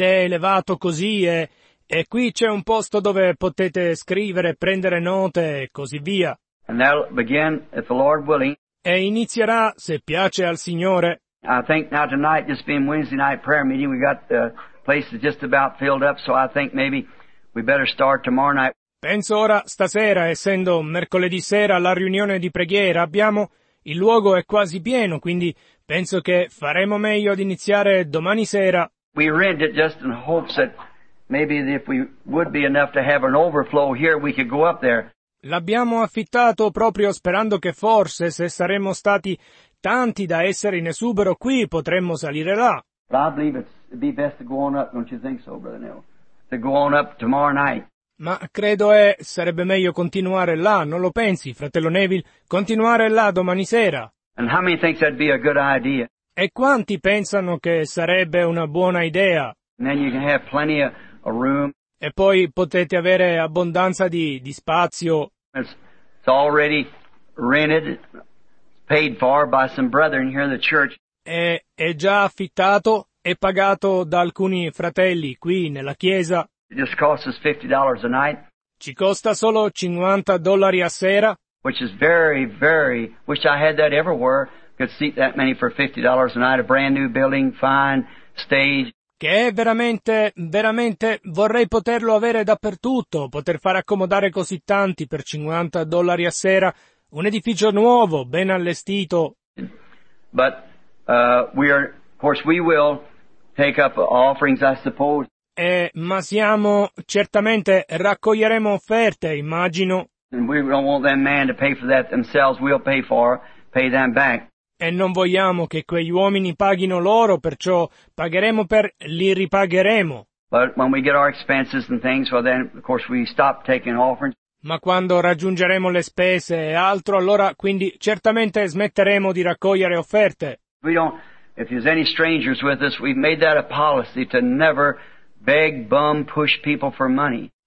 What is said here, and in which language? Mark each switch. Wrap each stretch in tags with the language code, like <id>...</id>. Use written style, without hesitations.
<it>è elevato così, e qui c'è un posto dove potete scrivere, prendere note e così via.</it> <en>And that'll begin, if the Lord willing.</en> <it>E inizierà, se piace al Signore.</it> <en>I think now tonight, just being Wednesday night prayer meeting, we got the place is just about filled up, so I think maybe we better start tomorrow night.</en> <it>Penso ora stasera, essendo mercoledì sera la riunione di preghiera, abbiamo il luogo è quasi pieno, quindi penso che faremo meglio ad iniziare domani sera.</it> <en>We rent it just in hopes that maybe if we would be enough to have an overflow here, we could go up there.</en> <it>L'abbiamo affittato proprio sperando che forse se saremmo stati tanti da essere in esubero qui potremmo salire là.</it> <en>It'd be best to go on up, don't you think so, Brother Neil? To go on up tomorrow night.</en> <it>Ma credo sarebbe meglio continuare là, non lo pensi, fratello Neville? Continuare là domani sera.</it> <en>And how many think that'd be a good idea?</en> <it>E quanti pensano che sarebbe una buona idea?</it> <en>And then you can have plenty of room.</en> <it>E poi potete avere abbondanza di spazio.</it> <en>It's already rented, paid for by some brethren here in the church.</en> <it>È già affittato. È pagato da alcuni fratelli qui nella chiesa.</it> <en>It just costs us $50 a night.</en> <it>Ci costa solo $50 a sera.</it> <en>Which is very, very, wish I had that everywhere. Could seat that many for $50 a night, a brand new building, fine, stage.</en> <it>Che è veramente, veramente, vorrei poterlo avere dappertutto, poter far accomodare così tanti per $50 a sera, un edificio nuovo, ben allestito.</it> <en>But of course, we will take up offerings, I suppose.</en> <it>Ma siamo, certamente, raccoglieremo offerte, immagino.</it> <en>And we don't want that man to pay for that themselves. We'll pay them back.</en> <it>E non vogliamo che quegli uomini paghino loro, perciò pagheremo per, li ripagheremo.</it> <en>But when we get our expenses and things, well then, of course, we stop taking offerings.</en> <it>Ma quando raggiungeremo le spese e altro, allora, quindi, certamente, smetteremo di raccogliere offerte.</it> <en>If there's any strangers with us, we've made that a policy to never beg, bum, push people for money.</en>